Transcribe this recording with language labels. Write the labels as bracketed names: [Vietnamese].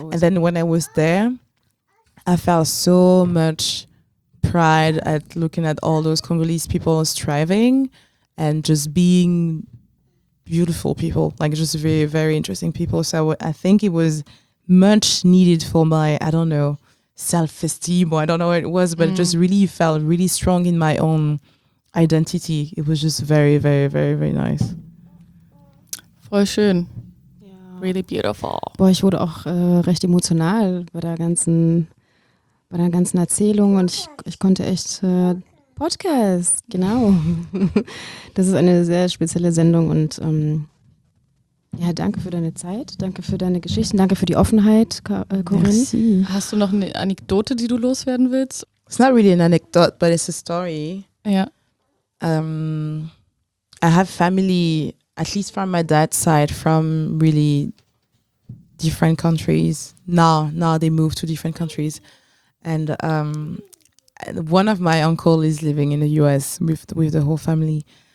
[English] and then when I was there, I felt so much pride at looking at all those Congolese people striving and just being beautiful people, like just very, very interesting people. So I think it was much needed for my, I don't know, self-esteem, or I don't know what it was, but it just really felt really strong in my own identity. It was just very, very, very, very nice. [German] Voll schön. [English] Yeah. Really beautiful. [German] Boah, ich wurde auch recht emotional bei der ganzen Erzählung, und ich konnte echt Podcast, genau. Das ist eine sehr spezielle Sendung, und ja, danke für deine Zeit, danke für deine Geschichten, danke für die Offenheit, Corinne. [French] Merci. [German] Hast du noch eine Anekdote, die du loswerden willst? [English] It's not really an anecdote, but it's a story. [German] Ja. [English] I have family, at least from my dad's side, from really different countries. Now they move to different countries. And one of my uncle is living in the US with the whole family.